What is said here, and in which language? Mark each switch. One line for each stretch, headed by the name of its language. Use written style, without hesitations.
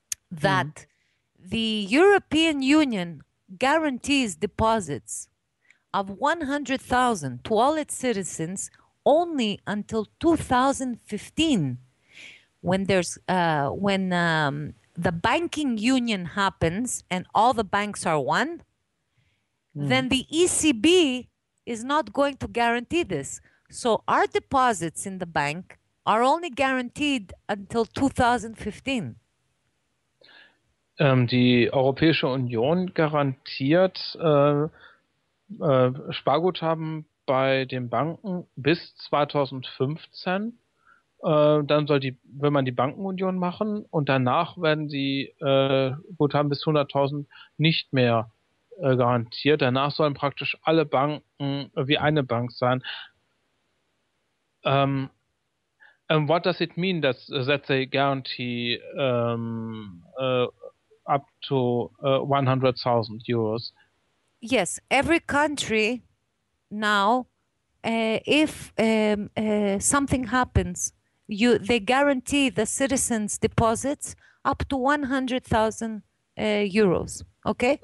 English: That the European Union guarantees deposits of 100,000 to all its citizens only until 2015, when the banking union happens and all the banks are one, then the ECB is not going to guarantee this. So our deposits in the bank are only guaranteed until 2015.
German: Die Europäische Union garantiert Sparguthaben bei den Banken bis 2015. Dann will man die Bankenunion machen und danach werden die Guthaben bis 100.000 nicht mehr garantiert. Danach sollen praktisch alle Banken wie eine Bank sein.
English: What does it mean that they guarantee up to 100,000 euros? Yes, every country now, if something happens, they guarantee the citizens' deposits up to 100,000 euros, okay?